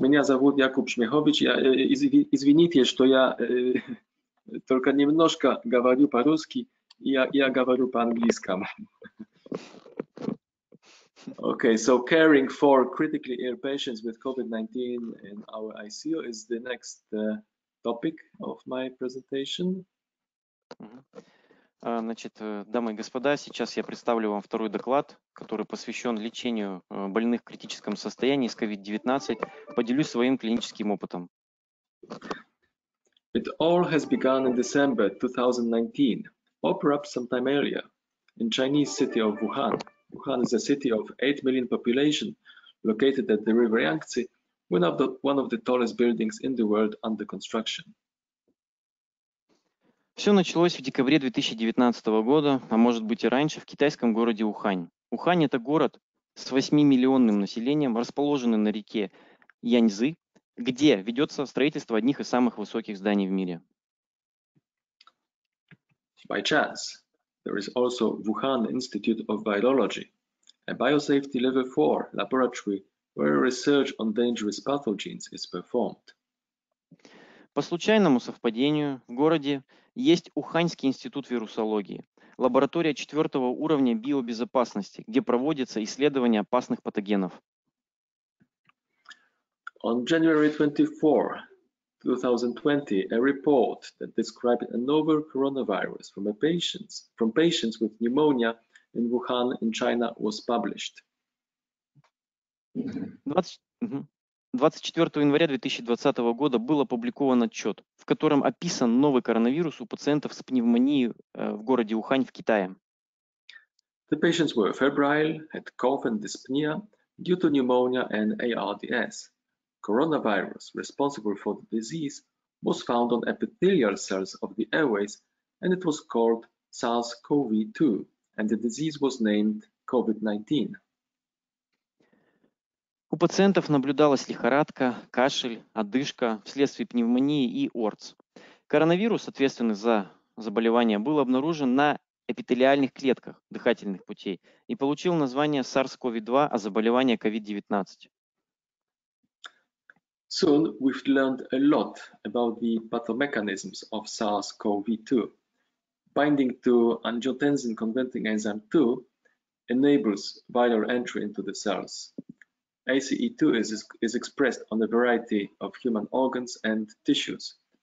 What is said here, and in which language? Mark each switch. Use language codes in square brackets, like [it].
[ru] Меня зовут Якуб Шмихович. Я, извините, что я только немножко говорю по-русски, я говорю по-английски. [en] Окей, so caring for critically ill patients with COVID-19 in our ICU is the next topic of my presentation. [ru] Значит, дамы и господа, сейчас я представлю вам второй доклад, который посвящен лечению больных в критическом состоянии с COVID-19. Поделюсь своим клиническим опытом. [en] It all has begun in December 2019. Opera some time earlier in Chinese city of Wuhan. Wuhan is a city of 8 million population located at the river Yangtze, one of the tallest buildings in the world under construction. [ru] Все началось в декабре 2019 года, а может быть и раньше, в китайском городе Ухань. Ухань – это город с 8-миллионным населением, расположенный на реке Яньзы, где ведется строительство одних из самых высоких зданий в мире. [en] By chance, there is also Wuhan Institute of Virology, a biosafety level 4 laboratory where research on dangerous pathogens is performed. [ru] По случайному совпадению в городе есть Уханьский институт вирусологии, лаборатория четвертого уровня биобезопасности, где проводятся исследования опасных патогенов. [en] On January 24, 2020, a report that described a novel coronavirus from patients with pneumonia in Wuhan in China was published. [ru] 24 января 2020 года был опубликован отчет, в котором описан новый коронавирус у пациентов с пневмонией в городе Ухань в Китае. [en] The patients were febrile, had cough and dyspnea due to pneumonia and ARDS. Coronavirus responsible for the disease was found on epithelial cells of the airways, and it was called SARS-CoV-2, and the disease was named COVID-19. [ru] У пациентов наблюдалась лихорадка, кашель, одышка вследствие пневмонии и ОРЦ. Коронавирус, ответственный за заболевание, был обнаружен на эпителиальных клетках дыхательных путей и получил название SARS-CoV-2, а заболевание COVID-19. [en] Soon we've learned a lot about the pathomechanisms of SARS-CoV-2. Binding to angiotensin-converting enzyme 2 enables viral entry into the cells. ACE2 is expressed on a variety of human organs and tissues.